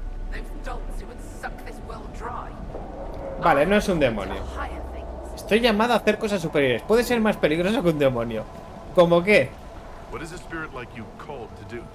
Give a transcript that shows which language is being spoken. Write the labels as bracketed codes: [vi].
[en] Those dolts would suck this world dry. [es] Vale, no es un demonio. Estoy llamado a hacer cosas superiores. Puede ser más peligroso que un demonio. ¿Cómo qué? [en] What is a spirit like you called to do?